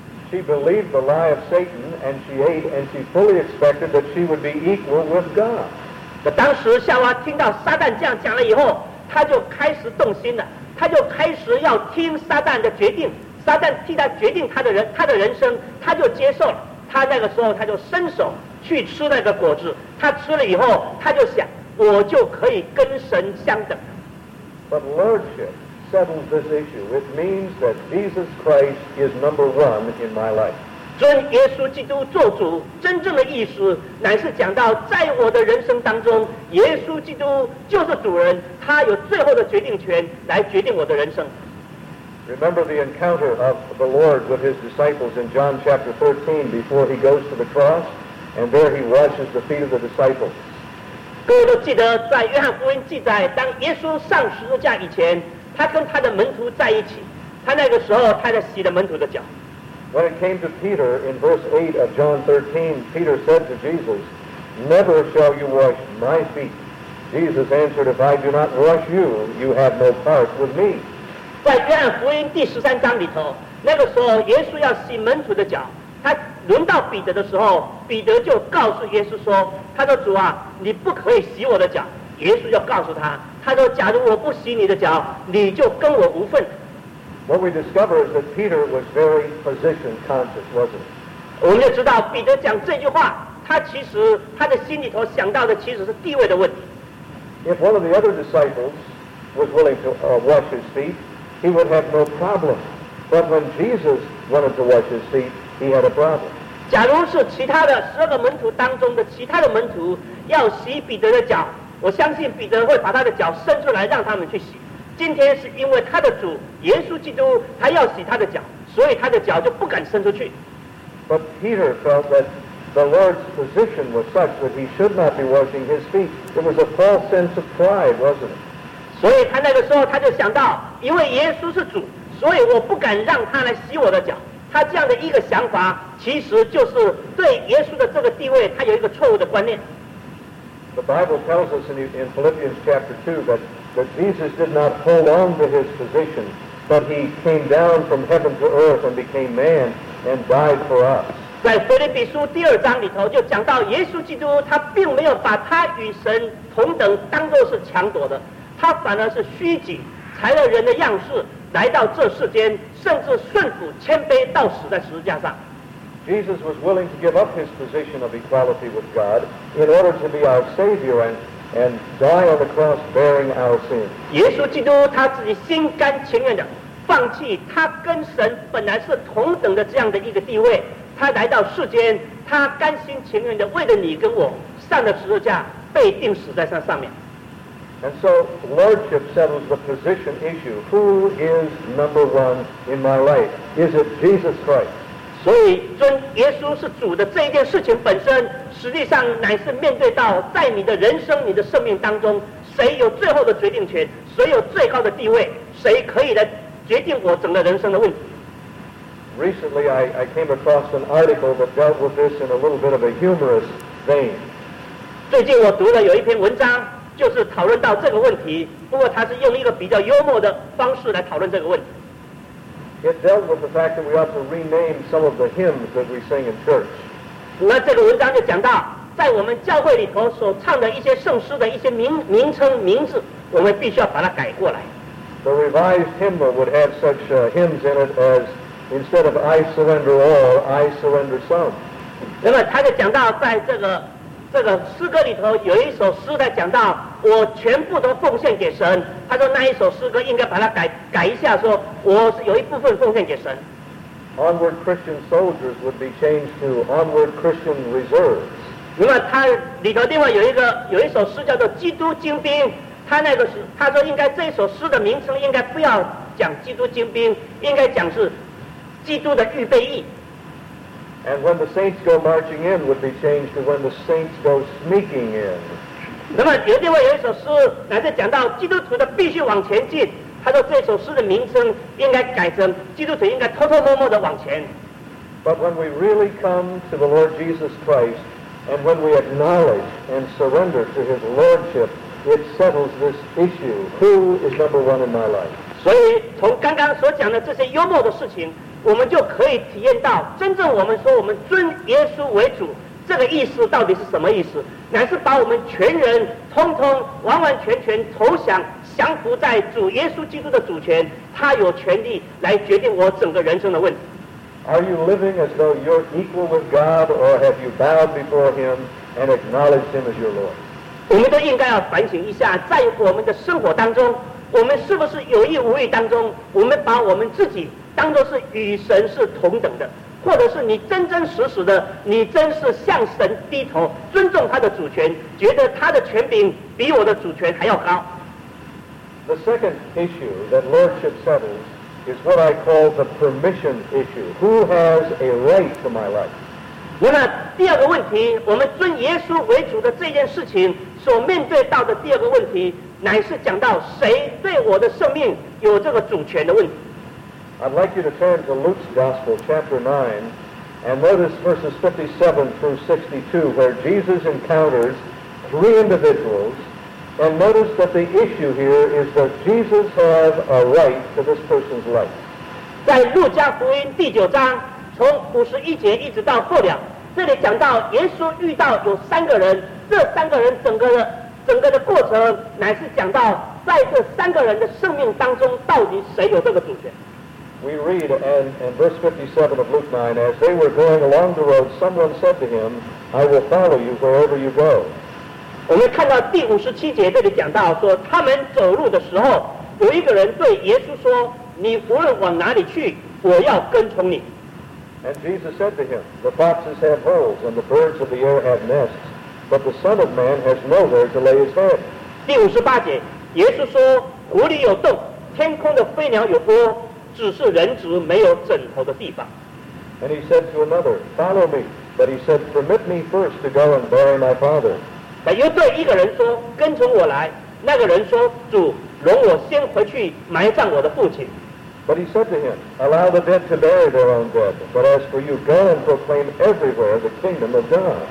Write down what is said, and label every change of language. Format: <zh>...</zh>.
<en>she believed the lie of Satan, and she ate, and she fully expected that she would be equal with God.</en> <zh>当时夏娃听到撒旦这样讲了以后，她就开始动心了，她就开始要听撒旦的决定，撒旦替她决定她的人，她的人生，她就接受了。她那个时候，她就伸手去吃那个果子，她吃了以后，她就想，我就可以跟神相等。</zh> <en>But lordship settles this issue. It means that Jesus Christ is number one in my life.</en> <zh>尊耶稣基督做主，真正的意思乃是讲到，在我的人生当中，耶稣基督就是主人，他有最后的决定权来决定我的人生。</zh> <en>Remember the encounter of the Lord with his disciples in John chapter 13 before he goes to the cross, and there he washes the feet of the disciples.</en> <zh>各位都记得，在约翰福音记载，当耶稣上十字架以前，他跟他的门徒在一起，他那个时候他在洗了门徒的脚。</zh> <en>When it came to Peter in verse 8 of John 13, Peter said to Jesus, "Never shall you wash my feet." Jesus answered, "If I do not wash you, you have no part with me."</en> <zh>在约翰福音第十三章里头，那个时候耶稣要洗门徒的脚。他轮到彼得的时候，彼得就告诉耶稣说，他说，主啊，你不可以洗我的脚。耶稣就告诉他，他说，假如我不洗你的脚，你就跟我无份。</zh> <en>What we discover is that Peter was very position conscious, wasn't he?</en> <zh>我们就知道彼得讲这句话，他其实他的心里头想到的其实是地位的问题。</zh> <en>If one of the other disciples was willing to wash his feet, he would have no problem. But when Jesus wanted to wash his feet,He had a problem.</en> <zh>假如是其他的十二个门徒当中的其他的门徒要洗彼得的脚，我相信彼得会把他的脚伸出来让他们去洗。今天是因为他的主耶稣基督他要洗他的脚，所以他的脚就不敢伸出去。</zh> <en>But Peter felt that the Lord's position was such that he should not be washing his feet. It was a false sense of pride, wasn't it?</en> <zh>所以他那个时候他就想到，因为耶稣是主，所以我不敢让他来洗我的脚。他这样的一个想法，其实就是对耶稣的这个地位，他有一个错误的观念。</zh> <en>The Bible tells us in Philippians chapter 2 that Jesus did not hold on to his position, but he came down from heaven to earth and became man and died for us.</en> <zh>在腓立比书第二章里头就讲到，耶稣基督他并没有把他与神同等当作是强夺的，他反而是虚己，才了人的样式。来到这世间，甚至顺服、谦卑，到死在十字架上。</zh> <en>Jesus was willing to give up his position of equality with God in order to be our Savior and die on the cross bearing our sin.</en> <zh>耶稣基督他自己心甘情愿的放弃他跟神本来是同等的这样的一个地位，他来到世间，他甘心情愿的为了你跟我上了十字架，被钉死在上面。</zh> <en>And so lordship settles the position issue. Who is number one in my life? Is it Jesus Christ?</en> <zh>所以尊耶稣是主的这一件事情本身，实际上乃是面对到在你的人生、你的生命当中，谁有最后的决定权，谁有最高的地位，谁可以来决定我整个人生的问题。</zh> <en>Recently, I came across an article that dealt with this in a little bit of a humorous vein.</en> <zh>最近我读了有一篇文章。就是讨论到这个问题，不过他是用一个比较幽默的方式来讨论这个问题。</zh> <en>It dealt with the fact that we ought to rename some of the hymns that we sing in church.</en> <zh>那这个文章就讲到，在我们教会里头所唱的一些圣诗的一些名称、名字，我们必须要把它改过来。</zh> <en>The revised hymnal would have such hymns in it as, instead of I surrender all, I surrender some.</en> <zh>那么他就讲到，在这个诗歌里头有一首诗在讲到我全部都奉献给神，他说那一首诗歌应该把它改一下，说我是有一部分奉献给神。</zh> <en>Onward Christian Soldiers would be changed to Onward Christian Reserves.</en> <zh>那么他里头另外有一首诗叫做基督精兵，他那个是他说应该这首诗的名称应该不要讲基督精兵，应该讲是基督的预备役。</zh> <en>And when the saints go marching in would be changed to when the saints go sneaking in.</en> <zh>那么有另外有一首诗乃是讲到基督徒的必须往前进，他说这首诗的名称应该改成基督徒应该偷偷摸摸的往前。</zh> <en>But when we really come to the Lord Jesus Christ and when we acknowledge and surrender to his lordship, it settles this issue. Who is number one in my life?</en> <zh>所以从刚刚所讲的这些幽默的事情，我们就可以体验到真正我们说我们尊耶稣为主这个意思到底是什么意思，乃是把我们全人通通完完全全投降降服在主耶稣基督的主权，他有权利来决定我整个人生的问题。</zh> <en>Are you living as though you're equal with God, or have you bowed before him and acknowledged him as your Lord?</en> <zh>我们都应该要反省一下，在我们的生活当中，我们是不是有意无意当中，我们把我们自己当作是与神是同等的，或者是你真真实实的，你真是向神低头，尊重他的主权，觉得他的权柄比我的主权还要高。</zh> <en>The second issue that lordship settles is what I call the permission issue. Who has a right to my life?</en> <zh>那么第二个问题，我们尊耶稣为主的这件事情所面对到的第二个问题，乃是讲到谁对我的生命有这个主权的问题。</zh> <en>I'd like you to turn to Luke's Gospel, chapter 9, and notice verses 57 through 62, where Jesus encounters three individuals, and notice that the issue here is that Jesus has a right to this person's life.</en> <zh>在路加福音第九章，从五十一节一直到后两，这里讲到耶稣遇到有三个人，这三个人整个的过程，乃是讲到在这三个人的生命当中，到底谁有这个主权。</zh> <en>We read in verse 57 of Luke 9, as they were going along the road, someone said to him, I will follow you wherever you go.</en> <zh>我们看到第五十七节这里讲到说，他们走路的时候，有一个人对耶稣说，你无论往哪里去，我要跟从你。</zh> <en>And Jesus said to him, the foxes have holes, and the birds of the air have nests, but the Son of Man has nowhere to lay his head.</en> <zh>第五十八节，耶稣说，狐狸有洞，天空的飞鸟有窝，只是人子没有枕头的地方。</zh> <en>And he said to another, follow me. But he said, permit me first to go and bury my father.</en> <zh>又对一个人说，跟从我来。那个人说，主，容我先回去埋葬我的父亲。</zh> <en>But he said to him, allow the dead to bury their own dead. But as for you, go and proclaim everywhere the kingdom of God.</en>